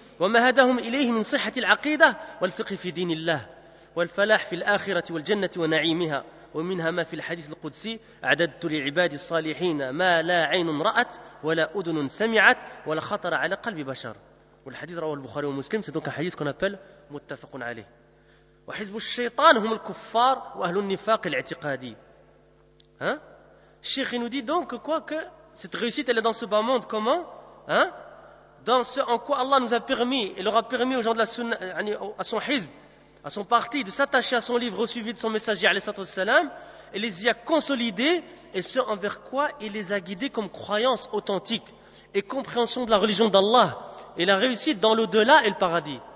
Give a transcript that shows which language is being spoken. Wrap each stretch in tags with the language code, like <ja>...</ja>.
<ar>ومهدهم إليه من صحة العقيدة والفقه في دين الله والفلاح في الآخرة والجنة ونعيمها ومنها ما في الحديث القدسي أعددت لعباد الصالحين ما لا عين رأت ولا أذن سمعت ولا خطر على قلب بشر. والحديث رواه البخاري ومسلم.</ar> <fr>C'est donc un hadith qu'on appelle متفق عليه.</fr> <ar>وحزب الشيطان هم الكفار وأهل النفاق الاعتقادي.</ar> <fr>الشيخ nous dit donc quoi que cette réussite elle est dans ce bas monde comment? Dans ce en quoi Allah nous a permis, et leur a permis aux gens de la sunnah, à son hizb, à son parti, de s'attacher à son livre au suivi de son messager, et les y a consolidés, et ce envers quoi il les a guidés comme croyance authentique et compréhension de la religion d'Allah, et la réussite dans l'au-delà et le paradis.</fr>